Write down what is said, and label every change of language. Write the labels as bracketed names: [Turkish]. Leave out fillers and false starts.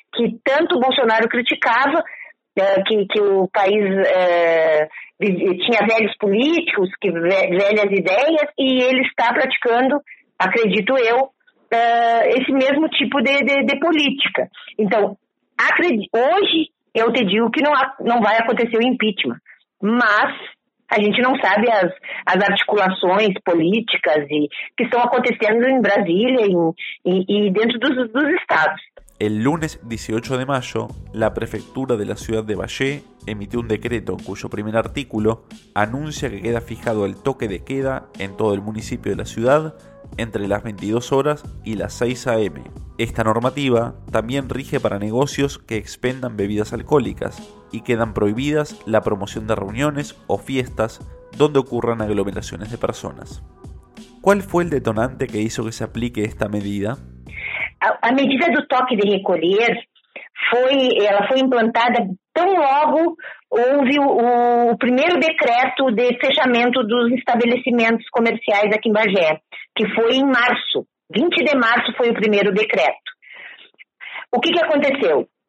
[Portuguese] Que tanto Bolsonaro criticava, que o país tinha velhos políticos, que velhas ideias, e ele está praticando, acredito eu, esse mesmo tipo de política. Então, hoje eu te digo que não vai acontecer o impeachment, mas a gente não sabe as articulações políticas que estão acontecendo em Brasília e dentro dos estados. [Spanish] El lunes 18 de mayo, la prefectura de la ciudad de Valle emitió un decreto cuyo primer artículo anuncia que queda fijado el toque de queda en todo el municipio de la ciudad entre las 22 horas y las 6 a.m. Esta normativa también rige para negocios que expendan bebidas alcohólicas y quedan prohibidas la promoción de reuniones o fiestas donde ocurran aglomeraciones de personas. ¿Cuál fue el detonante que hizo que se aplique esta medida? [Portuguese] A medida do toque de recolher foi implantada tão logo houve o primeiro decreto de fechamento dos estabelecimentos comerciais aqui em Bagé, que foi em março. 20 de março foi o primeiro decreto. O que aconteceu?